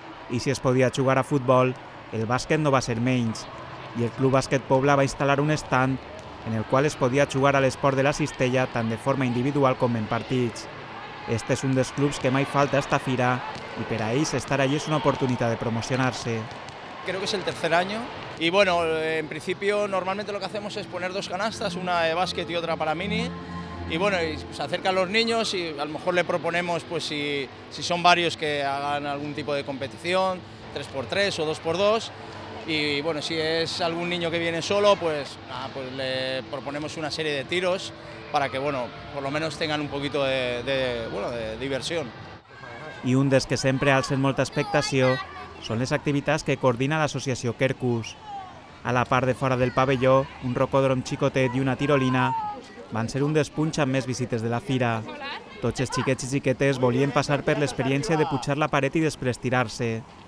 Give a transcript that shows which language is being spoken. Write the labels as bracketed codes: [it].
[ca] I si es podia jugar a futbol, el bàsquet no va ser menys, i el Club Bàsquet Pobla va instal·lar un stand en el qual es podia jugar a l'esport de la cistella tant de forma individual com en partits. Este és un dels clubs que mai falta a esta fira i per a ells estar allí és una oportunitat de promocionar-se. [es] Creo que es el tercer año y bueno, en principio normalmente lo que hacemos es poner dos canastas, una de básquet y otra para mini, y bueno, y se acercan los niños y a lo mejor le proponemos, pues si son varios, que hagan algún tipo de competición, 3x3 o 2x2, y bueno, si es algún niño que viene solo, pues le proponemos una serie de tiros para que, bueno, por lo menos tengan un poquito de diversión. [ca] I un dels que sempre alcen molta expectació són les activitats que coordina l'associació Quercus. A la part de fora del pavelló, un rocòdrom xicotet i una tirolina van ser un dels punts amb més visites de la fira. Tots els xiquets i xiquetes volien passar per l'experiència de pujar la paret i després tirar-se.